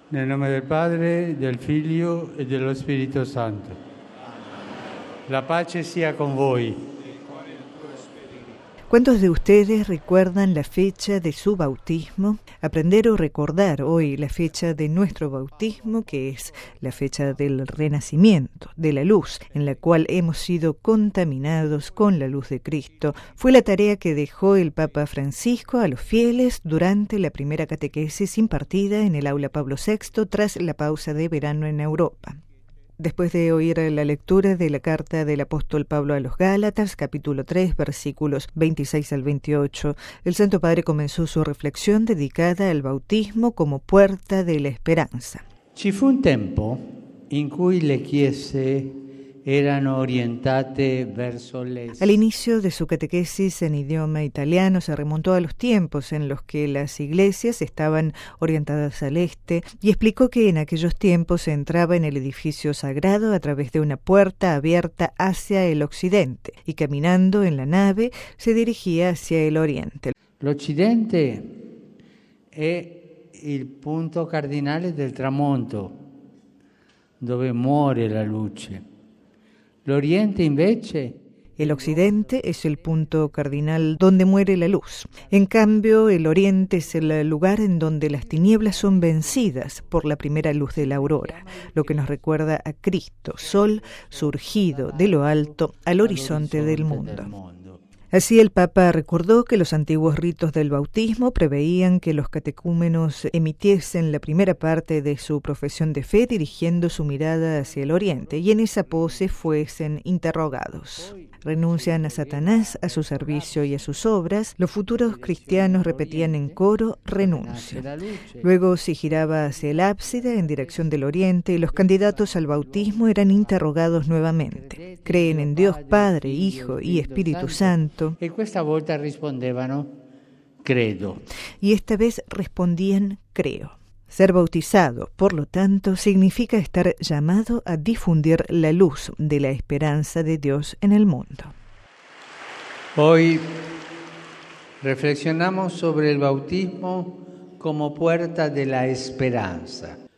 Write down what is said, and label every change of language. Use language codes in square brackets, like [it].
[it] Nel nome del Padre, del Figlio e dello Spirito Santo. La pace sia con voi. [es] ¿Cuántos de ustedes recuerdan la fecha de su bautismo? Aprender o recordar hoy la fecha de nuestro bautismo, que es la fecha del renacimiento, de la luz, en la cual hemos sido contaminados con la luz de Cristo, fue la tarea que dejó el Papa Francisco a los fieles durante la primera catequesis impartida en el aula Pablo VI tras la pausa de verano en Europa. Después de oír la lectura de la carta del apóstol Pablo a los Gálatas, capítulo 3, versículos 26 al 28, el Santo Padre comenzó su reflexión dedicada al bautismo como puerta de la esperanza. [it] Ci fu un tempo in cui le chiese erano orientate verso le... [es] Al inicio de su catequesis en idioma italiano se remontó a los tiempos en los que las iglesias estaban orientadas al este y explicó que en aquellos tiempos se entraba en el edificio sagrado a través de una puerta abierta hacia el occidente y caminando en la nave se dirigía hacia el oriente. [it] L'occidente è il punto cardinale del tramonto, dove muore la luce. L'Oriente invece... [es] El occidente es el punto cardinal donde muere la luz. En cambio, el oriente es el lugar en donde las tinieblas son vencidas por la primera luz de la aurora, lo que nos recuerda a Cristo, sol surgido de lo alto al horizonte del mundo. Así el Papa recordó que los antiguos ritos del bautismo preveían que los catecúmenos emitiesen la primera parte de su profesión de fe dirigiendo su mirada hacia el oriente y en esa pose fuesen interrogados. Renuncian a Satanás, a su servicio y a sus obras, los futuros cristianos repetían en coro, renuncia. Luego se giraba hacia el ábside en dirección del oriente y los candidatos al bautismo eran interrogados nuevamente. Creen en Dios Padre, Hijo y Espíritu Santo. [it] E questa volta rispondevano, credo. [es] Y esta vez respondían, creo. Ser bautizado, por lo tanto, significa estar llamado a difundir la luz de la esperanza de Dios en el mundo. Hoy reflexionamos sobre el bautismo como puerta de la esperanza.